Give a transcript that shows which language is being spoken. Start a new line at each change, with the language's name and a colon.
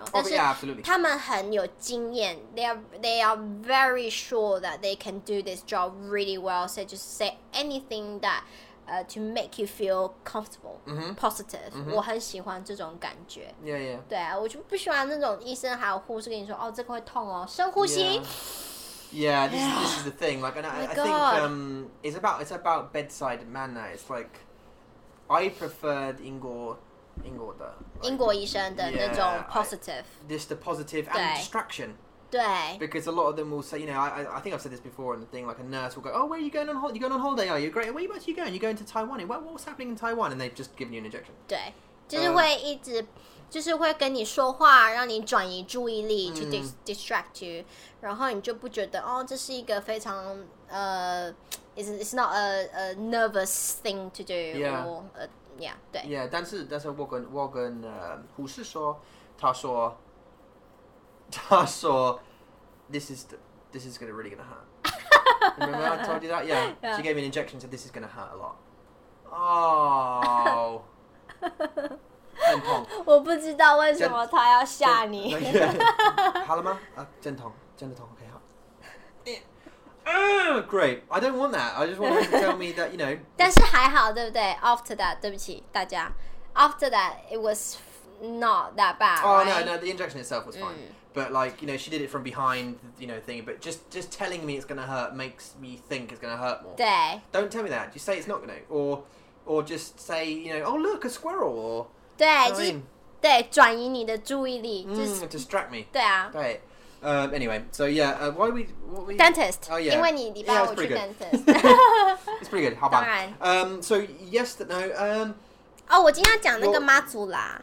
Chinese: oh, 但是他们很有经验
English: they are very sure that they can do this job really well so just say anything that to make you feel comfortable, positive.
Chinese: 我很喜欢这种感觉。
English: Yeah, yeah.
Chinese: 对啊，我就不喜欢那种医生还有护士跟你说，哦，这个会痛哦，深呼吸。
English: Yeah, this is the thing. Like, and I think it's about bedside manner. It's like I preferred
Chinese: 英国的，英国医生的那种 positive.
English: Just the positive and distraction.
Chinese: 对，
English: because a lot of them will say, you know, I think I've said this before in the thing, like a nurse will go, oh, where are you going on holiday? You going on holiday? Oh, you're great. Where are you going? You're going to Taiwan. What's happening in Taiwan? And they've just given you an injection.
Chinese: 对，就是会一直就是会跟你说话，让你转移注意力
English: to distract you，
Chinese: 然后你就不觉得哦，这是一个非常
English: it's not a nervous thing to do. Yeah. Yeah. 对。 Yeah，
Chinese: 但是我跟护士说，他说
English: this is really gonna hurt. Remember I told you that? Yeah. Yeah. She gave me an injection and said this is gonna hurt a lot.
Chinese: Oh. 痛，我不知道为什么他要吓你。好了吗？啊，真痛，真的痛。OK， 好。
English: Great， I don't want that. I just want to tell me that you know.
Chinese: 但是还好，对不对
English: ？After that，
Chinese: 对不起大家。
English: After that， it was not that bad. Oh、 right? no, the injection itself was fine.、Mm. But like you know, she did it from behind, you know, thing. But just telling me it's gonna hurt makes me think it's gonna hurt more.
Chinese: 对。
English: Don't tell me that. Just say it's not gonna. Or just say you know, oh look, a squirrel. Or
Chinese: 对，
English: I mean,
Chinese: 就是对，转移你的注意力，就是
English: distract me。
Chinese: 对啊，
English: 对，anyway， so yeah， why we dentist？哦、oh, yeah，
Chinese: 因为你礼拜五去 dentist，
English: it's pretty good，
Chinese: 好吧。当然，
English: so yesterday，
Chinese: 哦，我今天要讲那个妈祖啦。